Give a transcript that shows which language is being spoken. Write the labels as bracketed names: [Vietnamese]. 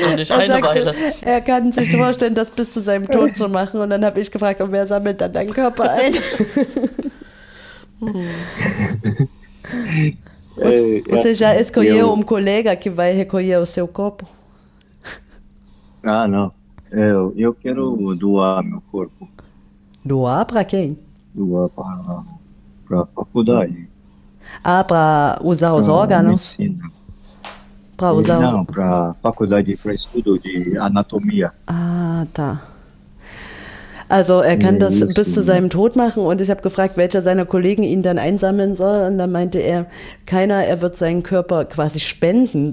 [German] Er kann sich vorstellen, das bis zu seinem Tod zu machen. Und dann habe ich gefragt, und wer sammelt dann deinen Körper ein? [Portuguese] Você já escolheu colega que vai recolher o seu corpo? Ah, não. Eu quero doar meu corpo. Doar para quem? Doar para a faculdade. Ah, para usar os órgãos? Para usar não, para faculdade, para estudo de anatomia. Ah, tá. [German] Also, er kann das bis zu seinem Tod machen und ich habe gefragt, welcher seiner Kollegen ihn dann einsammeln soll und dann meinte er, keiner, er wird seinen Körper quasi spenden.